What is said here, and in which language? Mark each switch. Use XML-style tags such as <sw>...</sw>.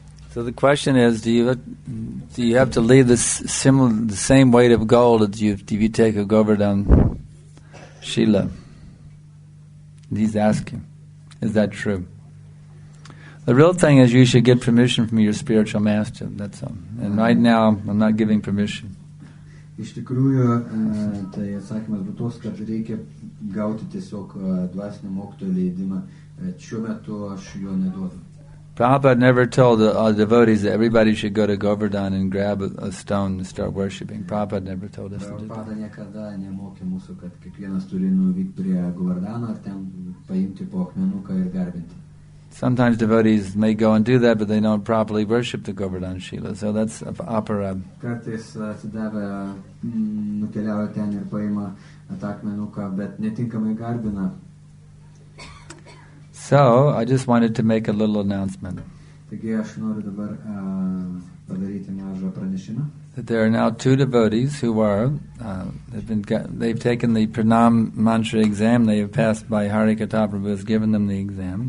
<en>So the question is, do you have to leave the same weight of gold as if you take a Govardhan Shila? He's asking, is that true? The real thing is you should get permission from your spiritual master. That's all. And right now, I'm not giving permission.</en> <lt>Iš tikrųjų, tai atsakymas būtų tos, kad reikia gauti tiesiog dvasinio mokto leidimą. Šiuo metu aš jo neduodu.</lt> <en>Prabhupada never told the devotees that everybody should go to Govardhan and grab a stone and start worshipping. Prabhupada never told us to do that.</en> <lt>Prabhupada niekada nemokė mūsų, kad kiekvienas turi nuvykti prie Govardhano ir ten paimti po akmenuką ir garbinti.</lt> <en>Sometimes devotees may go and do that, but they don't properly worship the Govardhan Shila. So that's apara.</en> <lt>Kartais atsidavę nukeliavo ten ir paima tą akmenuką, bet netinkamai garbina.</lt> <en>So I just wanted to make a little announcement.</en> <lt>Taigi aš noriu dabar padaryti mažą pranešimą.</lt> <en>That there are now two devotees who are they've taken the pranam mantra exam. They have passed by Harikatha Prabhu has given them the exam.</en>